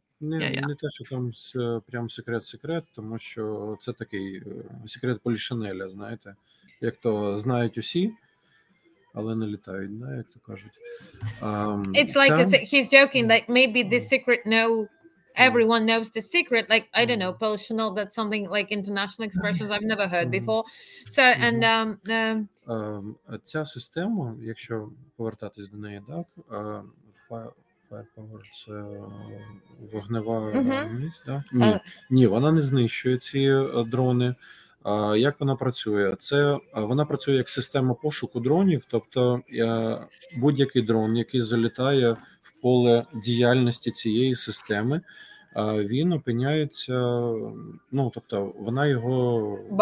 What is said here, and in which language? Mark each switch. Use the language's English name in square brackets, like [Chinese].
[Ukrainian] Не те, що там прям секрет, тому що це такий секрет Полішинеля, знаєте, як то знають усі. Але не літають, да, як то кажуть. [English] It's like he's joking, like maybe the secret everyone knows the secret, like I don't know, personal, that's something like international expressions I've never heard before. So and [Ukrainian] ця система, якщо повертатись до неї, так, firepower, це вогнева міць, так? Ні, вона не знищує ці дрони. Як вона працює? Вона працює як система пошуку дронів, тобто будь-який дрон, який залітає в поле діяльності цієї системи, він опиняється, ну, тобто вона його